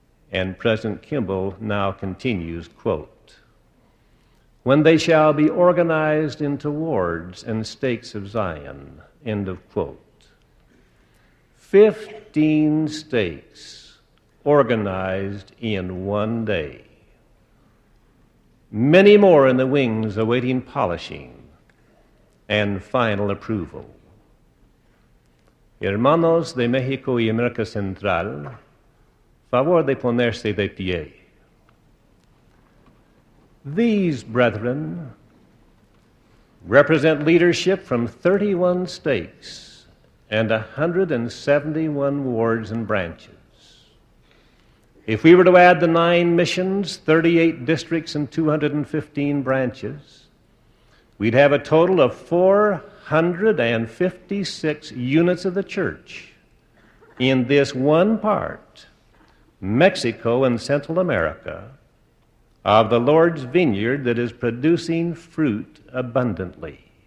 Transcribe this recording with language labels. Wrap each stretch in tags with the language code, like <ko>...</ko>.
<en>And President Kimball now continues, quote, "When they shall be organized into wards and stakes of Zion," end of quote. 15 stakes organized in one day. Many more in the wings awaiting polishing and final approval.</en> <es>Hermanos de México y América Central, favor de ponerse de pie.</es> <en>These brethren represent leadership from 31 states and 171 wards and branches. If we were to add the 9 missions, 38 districts, and 215 branches, we'd have a total of 456 units of the church in this one part, Mexico and Central America, of the Lord's vineyard that is producing fruit abundantly.</en>